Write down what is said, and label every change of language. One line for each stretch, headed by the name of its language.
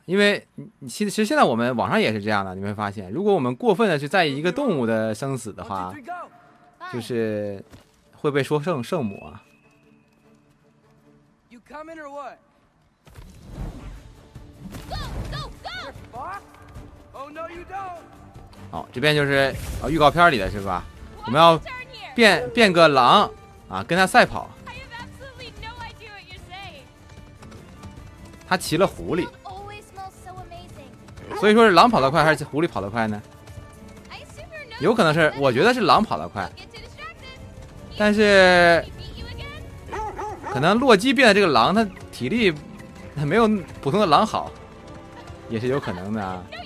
Chinese: 因为其实现在我们网上也是这样的，你会发现，如果我们过分的去在意一个动物的生死的话，就是会被说圣母啊。
English: Coming or what? Go, go, go! Oh no, you don't!
Chinese: 好，这边就是预告片里的是吧？我们要变个狼啊，跟他赛跑。
English: I have absolutely no idea what you're saying.
Chinese: 他骑了狐狸。
English: You always smell so amazing.
Chinese: 所以说是狼跑得快还是狐狸跑得快呢？有可能是，我觉得是狼跑得快。但是。可能洛基变的这个狼，他体力没有普通的狼好，也是有可能的啊。